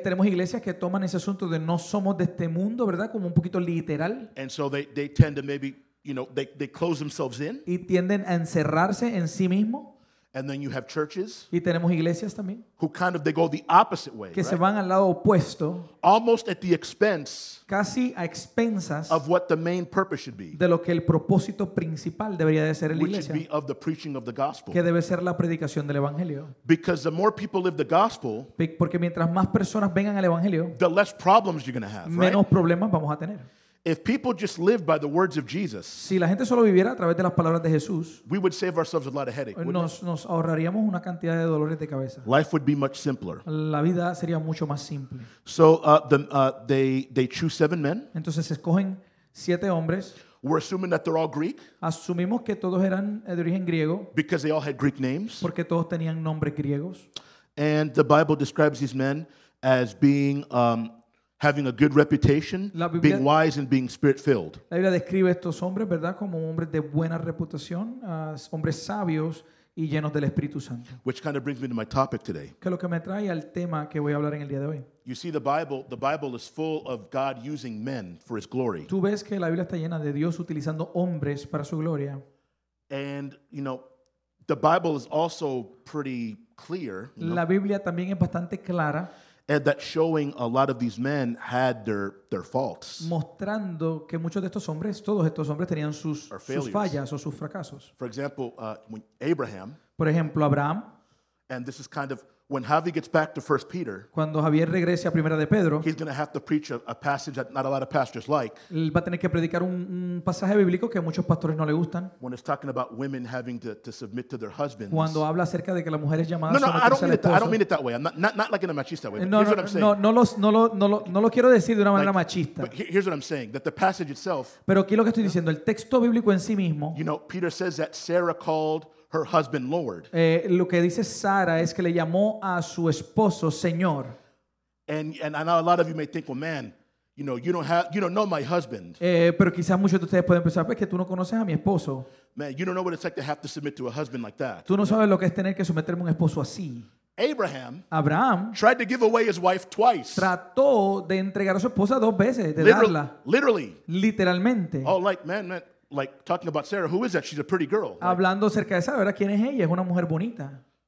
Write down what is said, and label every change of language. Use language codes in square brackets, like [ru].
[es] Tenemos iglesias que toman ese asunto de no somos de este mundo, ¿verdad? Como un poquito literal. [en] And so they tend to maybe, you know, they close themselves in. [es] Y tienden a encerrarse en sí mismo. [en] And then you have churches. [es] Y tenemos iglesias también. [en] Who kind of they go the opposite way. [es] Que [en] right? [es] Se van al lado opuesto. [en] Almost at the expense. [es] Casi a expensas. [en] Of what the main purpose should be. [es] De lo que el propósito principal debería de ser en la iglesia. [en] Which should be of the preaching of the gospel. [es] Que debe ser la predicación del evangelio. [en] Because the more people live the gospel. [es] Porque mientras más personas vengan al evangelio. [en] The less problems you're going to have. [es] Menos [en] right? [es] problemas vamos a tener. [en] If people just lived by the words of Jesus, [es] si la gente solo viviera a través de las palabras de Jesús, [en] we would save ourselves a lot of headache. [es] Nos ahorraríamos una cantidad de dolores de cabeza. [en] Life would be much simpler. [es] La vida sería mucho más simple. [en] So they choose 7 men. [es] Entonces escogen 7 hombres. [en] We're assuming that they're all Greek. [es] Asumimos que todos eran de origen griego. [en] Because they all had Greek names. [es] Porque todos tenían nombres griegos. [en] And the Bible describes these men as being having a good reputation, [es] Biblia, [en] being wise and being spirit-filled. [es] La Biblia describe estos hombres, ¿verdad? Como hombres de buena reputación, hombres sabios y llenos del Espíritu Santo. [en] Which kind of brings me to my topic today. [es] Que lo que me trae al tema que voy a hablar en el día de hoy. [en] You see the Bible is full of God using men for his glory. [es] Tú ves que la Biblia está llena de Dios utilizando hombres para su gloria. [en] And you know, the Bible is also pretty clear. [es] La Biblia también es bastante clara. [en] And that showing a lot of these men had their faults. [es] Mostrando que muchos de estos hombres, todos estos hombres tenían sus fallas o sus fracasos. [en] For example, Abraham. [es] Por ejemplo, Abraham. [en] And this is kind of when Javi gets back to 1 Peter. [es] Cuando Javier regrese a Primera de Pedro. [en] He's going to have to preach a passage that not a lot of pastors like. [es] Va a tener que predicar un pasaje bíblico que muchos pastores no le gustan. [en] When it's talking about women having to submit to their husbands. [es] Cuando habla acerca de que las mujeres llamadas a someterse al esposo. [en] No, I don't mean it that way. I'm not like in a machista way. [es] No, no lo quiero decir de una manera machista. [en] But here's what I'm saying, that the passage itself. [es] Pero aquí lo que estoy diciendo, el texto bíblico en sí mismo. [en] You know, Peter says that Sarah called her husband Lord. [es] Lo que dice Sara es que le llamó a su esposo Señor. [en] And I know a lot of you may think, well, man, you know, you don't know my husband. [es] Pero quizás muchos de ustedes pueden pensar, pues que tú no conoces a mi esposo. [en] Man, you don't know what it's like to have to submit to a husband like that. [es] Tú no sabes lo que es tener que someterme a un esposo así. [en] Abraham tried to give away his wife twice. [es] Trató de entregar a su esposa dos veces, de darla. [en] Literally. [es] Literalmente. [en] Oh, like, man. Like talking about Sarah, who is that? She's a pretty girl. [es] Hablando acerca de Sara, ¿verdad? ¿Quién es ella? Es una mujer bonita.